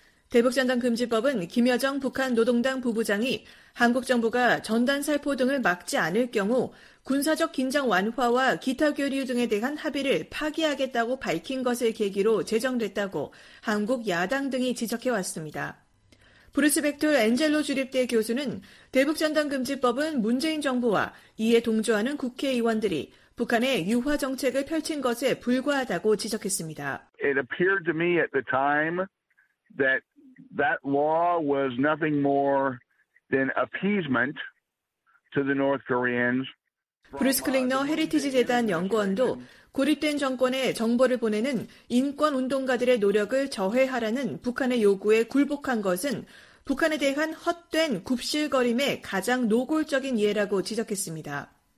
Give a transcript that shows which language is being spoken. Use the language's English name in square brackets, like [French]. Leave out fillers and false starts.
[Korean] 대북전단금지법은 김여정 북한 노동당 부부장이 한국 정부가 전단 살포 등을 막지 않을 경우 군사적 긴장 완화와 기타 교류 등에 대한 합의를 파기하겠다고 밝힌 것을 계기로 제정됐다고 한국 야당 등이 지적해왔습니다. 브루스 백톨 엔젤로 주립대 교수는 대북전단금지법은 문재인 정부와 이에 동조하는 국회의원들이 북한의 유화 정책을 펼친 것에 불과하다고 지적했습니다. [English] It appeared to me at the time that that law was nothing more than appeasement to the North Koreans. [Korean] 브루스 클링너 헤리티지 재단 연구원도 고립된 정권에 정보를 보내는 인권운동가들의 노력을 저해하라는 북한의 요구에 굴복한 것은 북한에 대한 헛된 굽실거림의 가장 노골적인 예라고 지적했습니다.